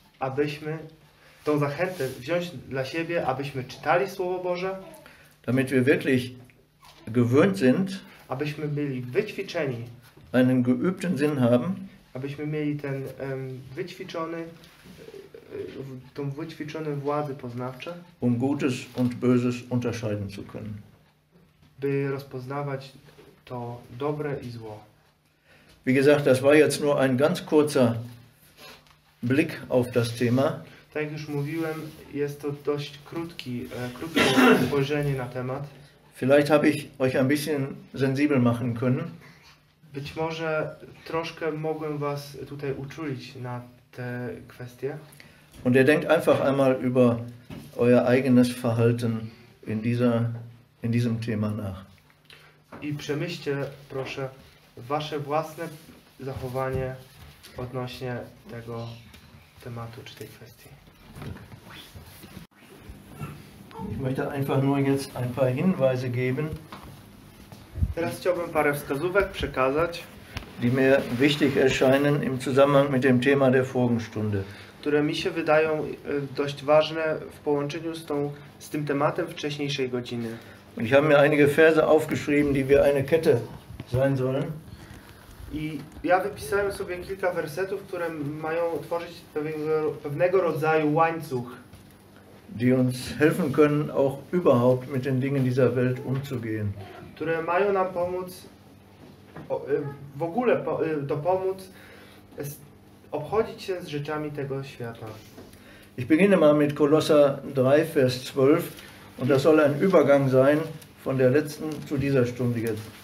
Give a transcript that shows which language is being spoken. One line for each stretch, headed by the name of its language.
Polish: Abyśmy tą zachętę wziąć dla siebie, abyśmy czytali Słowo Boże.
German: Damit wir wirklich gewöhnt sind.
Polish: Abyśmy byli wyćwiczeni.
German: Einen geübten Sinn haben.
Polish: Abyśmy mieli ten wyćwiczony, tą wyćwiczone władze poznawcze.
German: Um Gutes und Böses unterscheiden zu können.
Polish: By rozpoznawać to dobre i zło.
German: Wie gesagt, das war jetzt nur ein ganz kurzer Blick auf das Thema.
Polish: Tak jak już mówiłem, jest to dość krótkie spojrzenie na temat.
German: Vielleicht habe ich euch ein bisschen sensibel machen können.
Polish: Być może troszkę mogłem was tutaj uczulić na te kwestie.
German: Und ihr denkt einfach einmal über euer eigenes Verhalten in diesem Thema nach.
Polish: I przemyślcie, proszę, wasze własne zachowanie odnośnie tego tematu czy tej kwestii.
German: Ich möchte einfach nur jetzt ein paar Hinweise geben.
Polish: Teraz chciałbym parę wskazówek przekazać,
German: die mir wichtig erscheinen im Zusammenhang mit dem Thema der Folgenstunde.
Polish: Które mi się wydają dość ważne w połączeniu z tym tematem wcześniejszej godziny.
German: Und ich habe mir einige Verse aufgeschrieben, die wie eine Kette sein sollen.
Polish: I ja wypisałem sobie kilka wersetów, które mają tworzyć pewnego rodzaju łańcuch.
German: Die uns helfen können, auch überhaupt mit den Dingen dieser Welt umzugehen.
Polish: Które mają nam pomóc, w ogóle dopomóc obchodzić się z rzeczami tego świata.
German: Ich beginne mal mit Kolosser 3, Vers 12. Und das soll ein Übergang sein von der letzten zu dieser Stunde jetzt.